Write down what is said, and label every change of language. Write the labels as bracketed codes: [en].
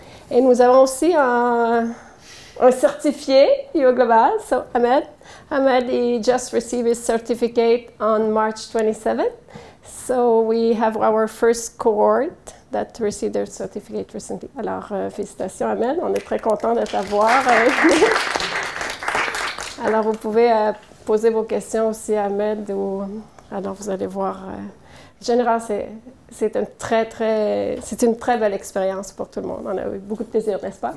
[fr] Et nous avons aussi un certifié uOGlobal, so Ahmed. [en] Ahmed, he just received his certificate on March 27th. So we have our first cohort that received their certificate recently. [fr] Alors, félicitations Ahmed, on est très content de t'avoir. Alors, vous pouvez poser vos questions aussi à Ahmed. Alors, vous allez voir. Général, c'est une très belle expérience pour tout le monde. On a eu beaucoup de plaisir, n'est-ce pas?